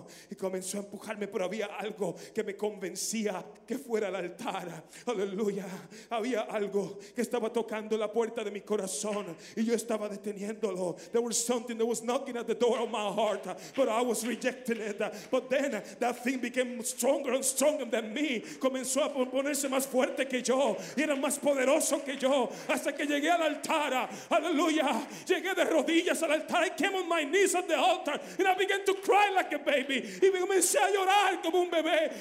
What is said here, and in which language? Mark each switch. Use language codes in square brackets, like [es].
[es] Y comenzó a empujarme, pero había algo que me convencía que fuera al altar. Aleluya, había algo que estaba tocando la puerta de mi corazón. Y yo estaba deteniéndolo. [en] There was something that was knocking at the door of my heart, but I was rejecting it. But then that thing became stronger and stronger than me. [es] Comenzó a ponerse más fuerte que yo, y era más poderoso que yo, hasta que llegué al altar. Hallelujah. Llegué de rodillas al altar. [en] I came on my knees at the altar, and I began to cry like a baby. [es] Y comencé a llorar como un bebé.